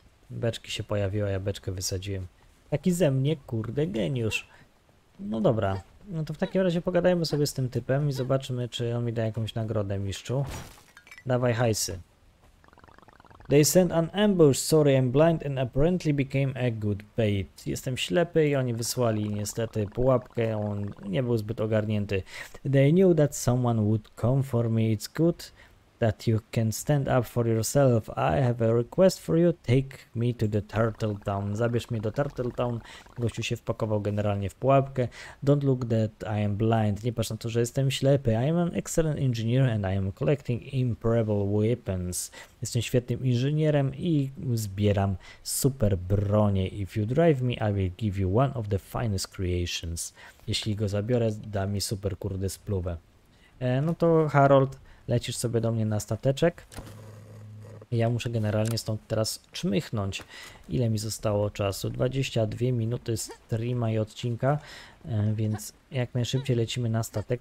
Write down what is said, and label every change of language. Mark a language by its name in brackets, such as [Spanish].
[Polish] Beczki się pojawiły, ja beczkę wysadziłem. Taki ze mnie, kurde, geniusz. No dobra, no to w takim razie pogadajmy sobie z tym typem i zobaczymy, czy on mi da jakąś nagrodę, mistrzu. Dawaj hajsy. [English] They sent an ambush, sorry I'm blind and apparently became a good bait. [Polish] Jestem ślepy i oni wysłali niestety pułapkę, on nie był zbyt ogarnięty. [English] They knew that someone would come for me, it's good that you can stand up for yourself. I have a request for you, take me to the Turtle Town. [Polish] Zabierz mnie do Turtle Town. Gościu się wpakował generalnie w pułapkę. [English] Don't look that I am blind. [Polish] Nie patrz na to, że jestem ślepy. [English] I am an excellent engineer and I am collecting improbable weapons. [Polish] Jestem świetnym inżynierem i zbieram super bronie. [English] If you drive me, I will give you one of the finest creations. [Polish] Jeśli go zabiorę, da mi super kurde spluwę. No to Harold, lecisz sobie do mnie na stateczek. Ja muszę generalnie stąd teraz czmychnąć. Ile mi zostało czasu? 22 minuty streama i odcinka, więc jak najszybciej lecimy na statek.